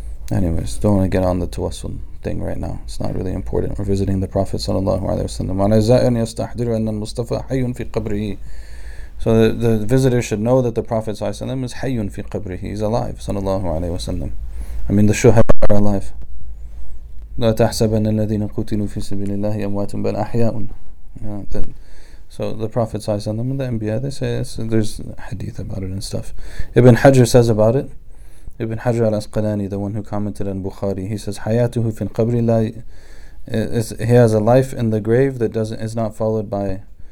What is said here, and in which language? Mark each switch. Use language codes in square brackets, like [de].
[en] Anyways, don't want to get on the tawassul thing right now. It's not really important. We're visiting the Prophet sallallahu alaihi. So the visitor should know that the Prophet sallallahu is hayyun fi qabrihi. He's alive, sallallahu alaihi wasallam. I mean, the shuhada are alive. [ar] لا تحسبن الذين قتلوا في سبيل الله أموات بل أحياء. [en] So the Prophet sallallahu alaihi wasallam and the Anbiya, they say yes, there's hadith about it and stuff. Ibn Hajar says about it. Ibn Hajar al-Asqalani, the one who commented on Bukhari, he says, [ar] "Hayatuhu fi al-qabri la," [en] he has a life in the grave that doesn't is not followed by.